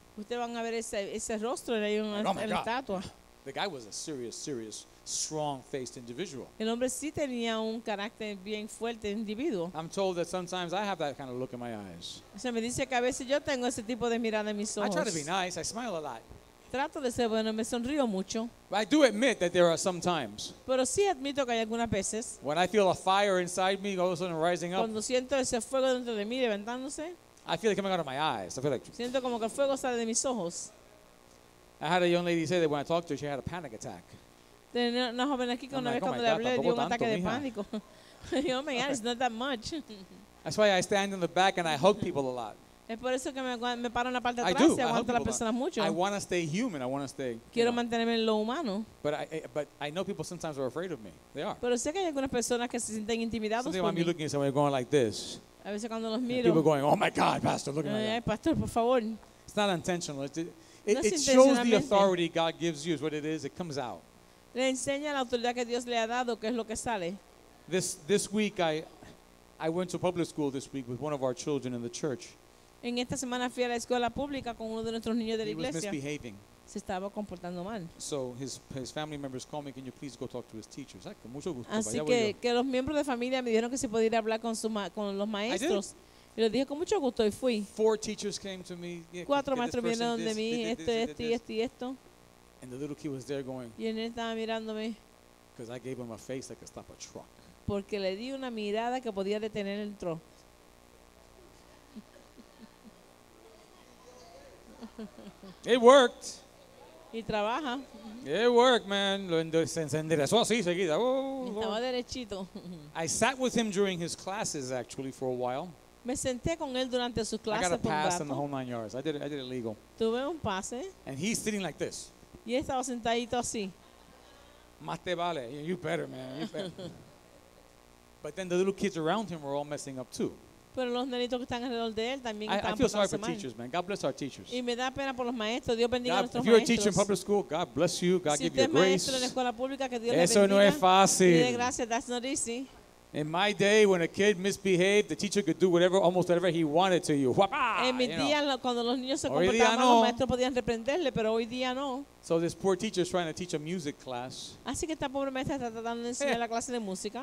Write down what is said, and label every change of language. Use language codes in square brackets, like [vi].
[es] Usted van a ver ese rostro ahí en la estatua. [en] The guy was a serious, strong-faced individual. [es] El hombre sí tenía un carácter bien fuerte, individuo. [en] I'm told that sometimes I have that kind of look in my eyes. [es] Se me dice que a veces yo tengo ese tipo de mirada en mis ojos. [en] I try to be nice. I smile a lot. [es] Trato de ser bueno, me sonrío mucho. [en] But I do admit that there are sometimes. [es] Pero sí admito que hay algunas veces. [en] When I feel a fire inside me all of a sudden rising up. [es] Cuando siento ese fuego dentro de mí levantándose. [en] I feel it coming out of my eyes. I feel like. [es] Siento como que el fuego sale de mis ojos. [en] I had a young lady say that when I talked to her, she had a panic attack. [es] Una joven aquí una vez cuando le hablé dio un ataque de pánico. Yo me [en] it's not that much. That's why I stand in the back and I hug people a lot. [es] Es por eso que me paro en la parte de atrás y aguanto a las personas mucho. [en] I want to stay human. I want to stay. [es] Quiero mantenerme en lo humano. [en] But I know people sometimes are afraid of me. They are. [es] Pero sé que hay algunas personas que se sienten intimidados por mí. [en] Me looking at someone going like this. [es] A veces cuando los miro. [en] People going, oh my God, pastor, look at me. [es] Ay, pastor, por favor. [en] It's not intentional. It shows the authority God gives you is what it is. It comes out. [es] Le enseña la autoridad que Dios le ha dado, que es lo que sale. [en] This week I went to public school this week with one of our children in the church. [es] En esta semana fui a la escuela pública con uno de nuestros niños de la iglesia. [en] He was misbehaving. [es] Se estaba comportando mal. [en] So his family members called me, can you please go talk to his teachers? [es] Ay, con mucho gusto. Así que los miembros de familia me dijeron que se podía ir a hablar con los maestros. Y le dije con mucho gusto y fui. [en] Four teachers came to me. Yeah, [es] cuatro maestros vinieron de mí, esto. [en] And the little kid was there going. [es] Y él estaba mirándome. [en] Because I gave him a face that could stop a truck. [es] Porque le di una mirada que podía detener el tro. [en] It worked. [es] Y trabaja. [en] It worked, man. [es] Lo enderezó así seguida. Estaba derechito. [en] I sat with him during his classes actually for a while. [es] Me senté con él durante sus clases. [en] I got a pass in the whole nine yards. I did it legal. [es] Tuve un pase. [en] And he's sitting like this. [es] Y estaba sentadito así. Más te vale. [en] You better, man. You better. But then the little kids around him were all messing up too. [es] Pero los nenitos que están alrededor de él también están pasando mal. [en] I feel sorry for teachers, man. God bless our teachers. [es] Y me da pena por los maestros. Dios bendiga a nuestros maestros. [en] If you're a teacher in public school, God bless you. God [es] si [en] give you grace. [es] Si usted es maestro en escuela pública, que Dios le bendiga. Eso no es fácil. Dile gracias. [en] That's not easy. In my day, when a kid misbehaved, the teacher could do whatever, almost whatever he wanted to you. [es] En mi día, cuando los niños se comportaban mal, los maestros podían reprenderle, pero hoy día no. [en] So this poor teacher is trying to teach a music class. [es] Así que esta pobre maestra está tratando de enseñar la clase de música.